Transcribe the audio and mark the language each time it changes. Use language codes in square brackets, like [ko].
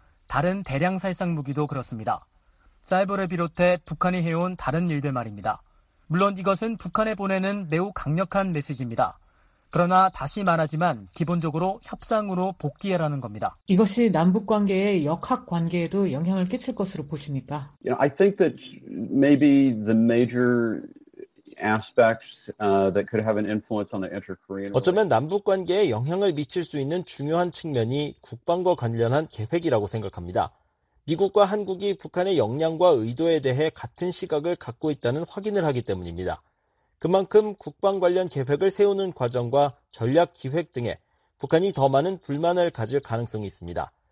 [ko] 다른 대량 살상 무기도 그렇습니다. 사이버를 비롯해 북한이 해온 다른 일들 말입니다. 물론 이것은 북한에 보내는 매우 강력한 메시지입니다. 그러나 다시 말하지만 기본적으로 협상으로 복귀하라는 겁니다. 이것이 남북 관계의 역학 관계에도 영향을 끼칠 것으로 보십니까? [en] You know, I think that maybe the major aspects that could have an influence on the inter-Korean. [ko] 어쩌면 남북 관계에 영향을 미칠 수 있는 중요한 측면이 국방과 관련한 계획이라고 생각합니다. 미국과 한국이 북한의 역량과 의도에 대해 같은 시각을 갖고 있다는 확인을 하기 때문입니다. 그만큼 국방 관련 계획을 세우는 과정과 전략 기획 등에 북한이 더 많은 불만을 가질 가능성이 있습니다.